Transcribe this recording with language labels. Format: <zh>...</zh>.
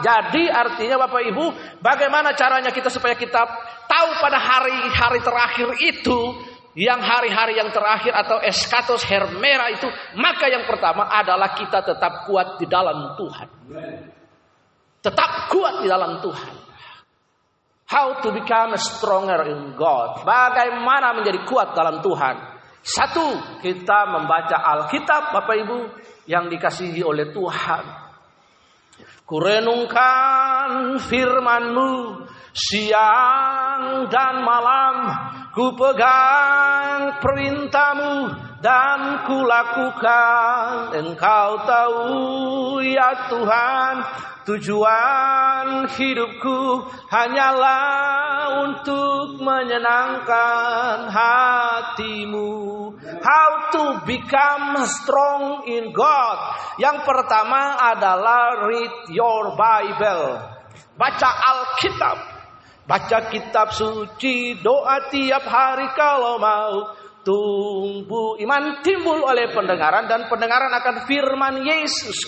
<id>Jadi artinya Bapak Ibu, bagaimana caranya kita supaya kita tahu pada hari-hari terakhir itu, yang hari-hari yang terakhir atau eskatos hermera itu, maka yang pertama adalah kita tetap kuat di dalam Tuhan. Tetap kuat di dalam Tuhan.</id> <en>How to become stronger in God?</en> <id>Bagaimana menjadi kuat dalam Tuhan? Satu, kita membaca Alkitab, Bapak Ibu, yang dikasihi oleh Tuhan. Kurenungkan firman-Mu siang dan malam, ku pegang perintah-Mu dan ku lakukan. Engkau tahu ya Tuhan, tujuan hidupku hanyalah untuk menyenangkan hati-Mu.</id> <en>How to become strong in God?</en> <id>Yang pertama adalah</id> <en>read your Bible.</en> <id>Baca Alkitab. Baca kitab suci, doa tiap hari kalau mau tumbuh. Iman timbul oleh pendengaran, dan pendengaran akan firman Yesus.</id>